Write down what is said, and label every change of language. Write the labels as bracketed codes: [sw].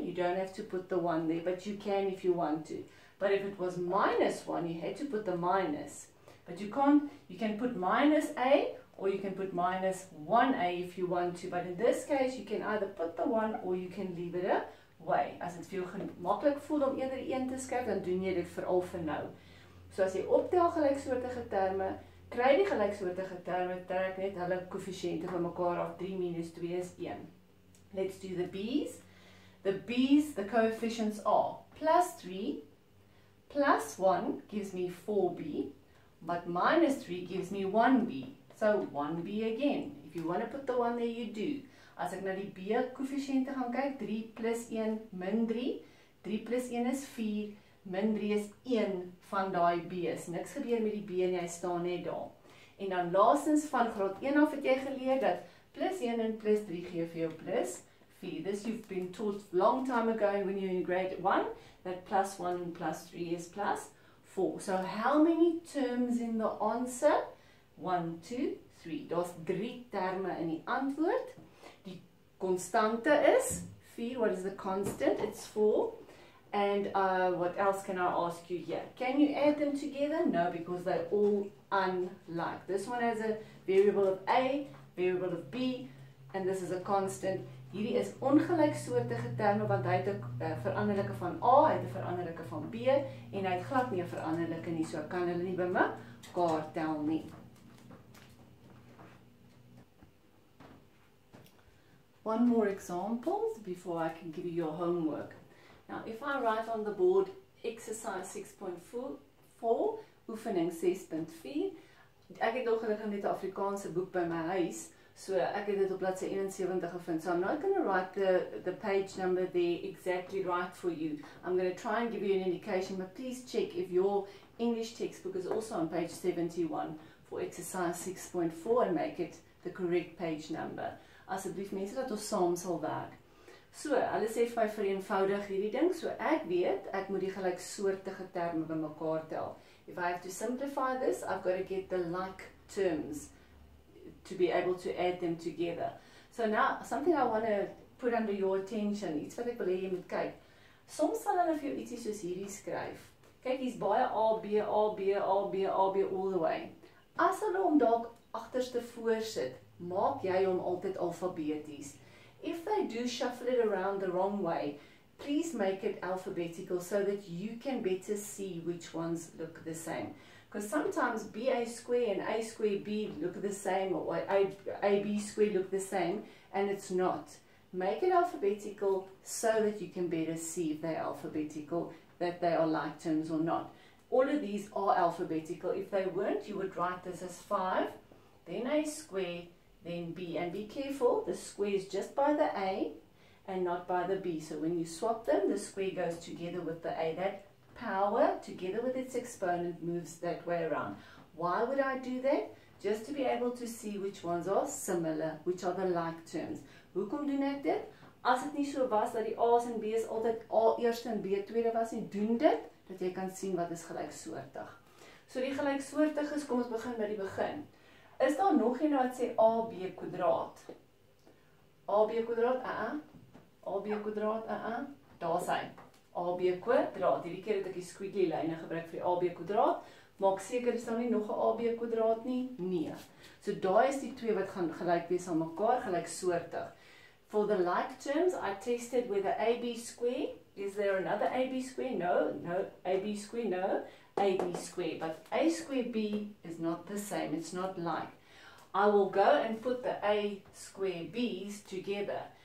[en] You don't have to put the 1 there, but you can if you want to. But if it was minus 1, you had to put the minus. But you can't, you can put minus A or you can put minus 1A if you want to. But in this case, you can either put the 1 or you can leave it away. [af] As it feel gemaklik voel om eerder 1 te skryf, dan doen jy dit veral vir nou. So as jy optel gelyksoortige terme, kry die gelyksoortige terme, trek net hulle koëffisiënte van mekaar af. [en] 3 minus 2 is 1. Let's do the B's. The B's, the coefficients are plus 3, plus 1 gives me 4B, but minus 3 gives me 1B. So 1B again. If you want to put the 1 there, you do. [af] As ek na die B-koëffisiënte gaan kyk, 3 plus 1 min 3, 3 plus 1 is 4, min 3 is 1 van die B's. Niks gebeur met die B en jy staan net daar. En dan laastens van graad 1 af het jy geleer dat plus 1 en plus 3 gee vir jou plus 4. [en] This you've been taught long time ago when you're in grade 1, that plus 1 and plus 3 is plus 4. So how many terms in the answer? 1, 2, 3. [af] Daar's 3 terme in die antwoord. Die konstante is 4. [en] What is the constant? It's 4. And what else can I ask you here? Can you add them together? No, because they're all unlike. This one has a variable of A, variable of B, and this is a constant. [af] Hierdie is ongelyksoortige terme, want hy het 'n veranderlike van A, hy het 'n veranderlike van B, en hy het glad nie 'n veranderlike nie, so ek kan hulle nie by mekaar tel nie. [en] One more example before I can give you your homework. Now, if I write on the board exercise 6.4, [af] oefening 6.4, ek het ongelukkig net 'n Afrikaanse boek by my huis, so ek het dit op bladsy 71 gevind. [en] So I'm not going to write the page number there exactly right for you. I'm going to try and give you an indication, but please check if your English textbook is also on page 71 for exercise 6.4 and make it the correct page number. [af] Asseblief mense, dat ons saam sal werk. So, hulle sê vir my vereenvoudig hierdie ding, so ek weet, ek moet die gelyksoortige terme by mekaar tel. [en] If I have to simplify this, I've got to get the like terms to be able to add them together. So now, something I want to put under your attention, [af] iets wat ek wil hê jy moet kyk. Soms sal hulle vir jou ietsie soos hierdie skryf. Kyk, hier's baie A, B, A, B, A, B, A, B, [en] all the way. [af] As hulle hom dalk agterste voor sit, maak jy hom altyd alfabeties. [en] If they do shuffle it around the wrong way, please make it alphabetical so that you can better see which ones look the same. Because sometimes BA square and A square B look the same, or AB square look the same, and it's not. Make it alphabetical so that you can better see if they're alphabetical, that they are like terms or not. All of these are alphabetical. If they weren't, you would write this as 5, then A square, then B. And be careful, the square is just by the A and not by the B. So when you swap them, the square goes together with the A. That power, together with its exponent, moves that way around. Why would I do that? Just to be able to see which ones are similar, which are the like terms. [af] Hoekom doen ek dit? As het nie so was dat die A's en B's altyd A eerste en B tweede was nie, doen dit, dat jy kan sien wat is gelyksoortig. So die gelyksoortig is, kom ons begin by die begin. Is daar nog een wat sê AB kwadraat? AB kwadraat, AB kwadraat, Daar sy, AB kwadraat. Hierdie keer het ek die squiggly lyne gebruik vir die AB kwadraat. Maak seker, is daar nie nog een AB kwadraat nie? Nee. So daar is die twee wat gaan gelyk wees aan mekaar, gelyksoortig. [en] For the like terms, I tested whether AB square, is there another AB square? No, AB square, no, AB square. But A square B is not the same, it's not like. I will go and put the A square B's together.